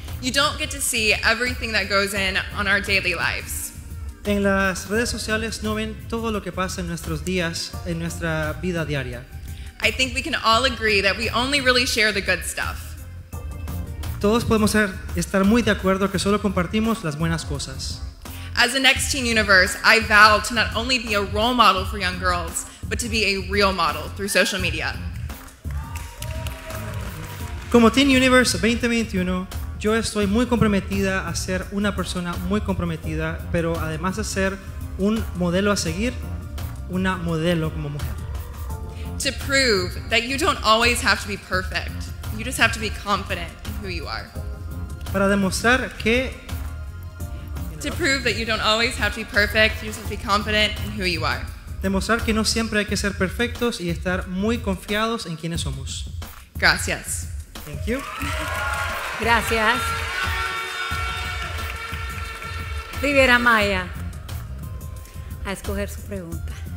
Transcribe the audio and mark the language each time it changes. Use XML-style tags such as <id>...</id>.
<en>You don't get to see everything that goes on our daily lives.</en> <es>En las redes sociales no ven todo lo que pasa en nuestros días, en nuestra vida diaria.</es> <en>I think we can all agree that we only really share the good stuff.</en> <es>Todos podemos estar muy de acuerdo que solo compartimos las buenas cosas.</es> <en>As a Next Teen Universe, I vow to not only be a role model for young girls, but to be a real model through social media.</en> <es>Como Teen Universe 2021, yo estoy muy comprometida a ser una persona muy comprometida, pero además de ser un modelo a seguir, una modelo como mujer.</es> <en>To prove that you don't always have to be perfect, you just have to be confident in who you are.</en> <es>Para demostrar que...</es> <en>To prove that you don't always have to be perfect, you just have to be confident in who you are.</en> <es>Demostrar que no siempre hay que ser perfectos y estar muy confiados en quienes somos. Gracias.</es> <en>Thank you.</en> <es>Gracias. Rivera Maya, a escoger su pregunta.</es>